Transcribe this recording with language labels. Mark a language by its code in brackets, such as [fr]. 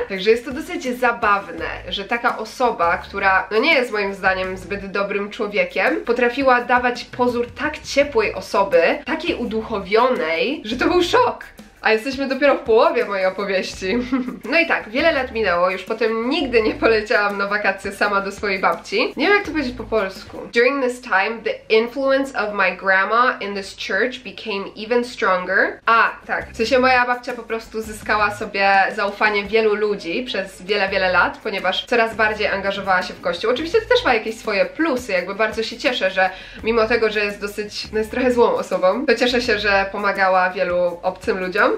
[pl] Także jest to dosyć zabawne, że taka osoba, która no nie jest moim zdaniem zbyt dobrym człowiekiem, potrafiła dawać pozór tak ciepłej osoby, takiej uduchowionej, że to był szok! A jesteśmy dopiero w połowie mojej opowieści. No i tak, wiele lat minęło, już potem nigdy nie poleciałam na wakacje sama do swojej babci. Nie wiem, jak to powiedzieć po polsku. [en] During this time, the influence of my grandma in this church became even stronger. [pl] A, tak. W sensie moja babcia po prostu zyskała sobie zaufanie wielu ludzi przez wiele, wiele lat, ponieważ coraz bardziej angażowała się w kościół. Oczywiście to też ma jakieś swoje plusy, jakby bardzo się cieszę, że mimo tego, że jest dosyć, no jest trochę złą osobą, to cieszę się, że pomagała wielu obcym ludziom.